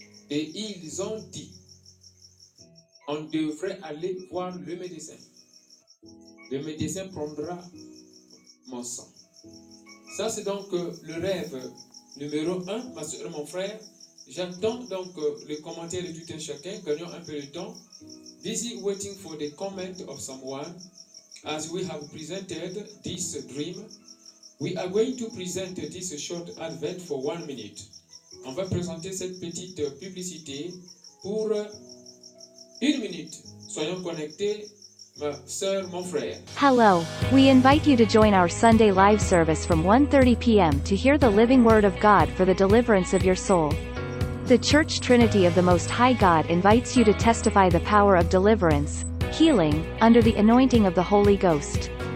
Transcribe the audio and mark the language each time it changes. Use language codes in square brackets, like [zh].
[fr] Et ils ont dit, on devrait aller voir le médecin. Le médecin prendra mon sang. Ça, c'est donc le rêve numéro un, ma soeur, mon frère. J'attends donc les commentaires de tout un chacun. Gagnons un peu de temps. [en] Busy waiting for the comment of someone. As we have presented this dream, We are going to present this short advert for 1 minute. [fr] On va présenter cette petite publicité pour 1 minute. Soyons connectés, ma sœur, mon frère. [en] Hello. We invite you to join our Sunday live service from 1:30 p.m. to hear the living word of God for the deliverance of your soul. The Church Trinity of the Most High God invites you to testify the power of deliverance, healing, under the anointing of the Holy Ghost.